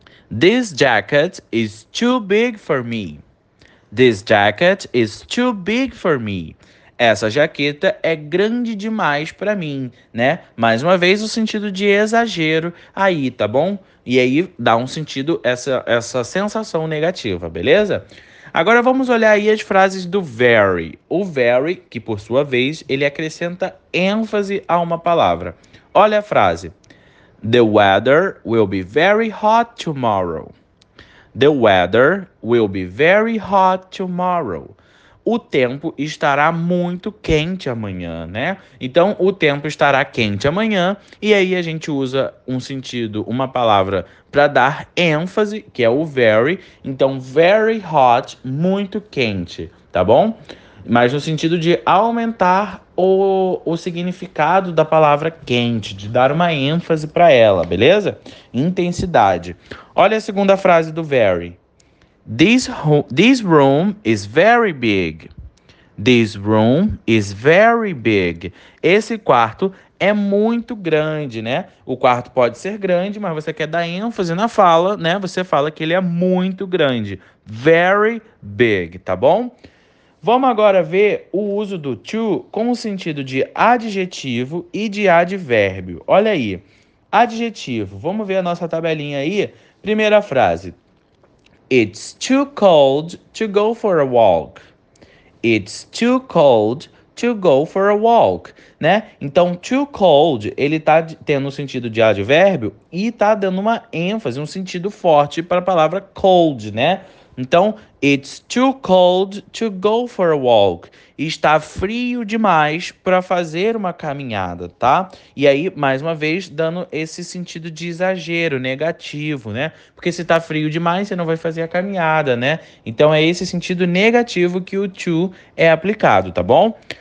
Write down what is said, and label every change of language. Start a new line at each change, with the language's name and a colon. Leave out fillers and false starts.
English: This jacket is too big for me. This jacket is too big for me.
Portuguese: Essa jaqueta é grande demais para mim, né? Mais uma vez, o sentido de exagero aí, tá bom? E aí dá um sentido essa sensação negativa, beleza? Agora vamos olhar aí as frases do very. O very, que por sua vez, ele acrescenta ênfase a uma palavra. Olha a frase.
English: The weather will be very hot tomorrow. The weather will be very hot tomorrow.
Portuguese: O tempo estará muito quente amanhã, né? Então, o tempo estará quente amanhã. E aí, a gente usa um sentido, uma palavra para dar ênfase, que é o very. Então, very hot, muito quente, tá bom? Mas no sentido de aumentar o significado da palavra quente, de dar uma ênfase para ela, beleza? Intensidade. Olha a segunda frase do very.
English: This room is very big. This room is very big.
Portuguese: Esse quarto é muito grande, né? O quarto pode ser grande, mas você quer dar ênfase na fala, né? Você fala que ele é muito grande. Very big, tá bom? Vamos agora ver o uso do to com o sentido de adjetivo e de advérbio. Olha aí. Adjetivo. Vamos ver a nossa tabelinha aí. Primeira frase.
English: It's too cold to go for a walk. It's too cold to go for a walk, né?
Portuguese: Então, too cold, ele tá tendo um sentido de advérbio e tá dando uma ênfase, um sentido forte para a palavra cold, né?
English: Então, it's too cold to go for a walk.
Portuguese: Está frio demais para fazer uma caminhada, tá? E aí, mais uma vez, dando esse sentido de exagero, negativo, né? Porque se está frio demais, você não vai fazer a caminhada, né? Então, é esse sentido negativo que o to é aplicado, tá bom?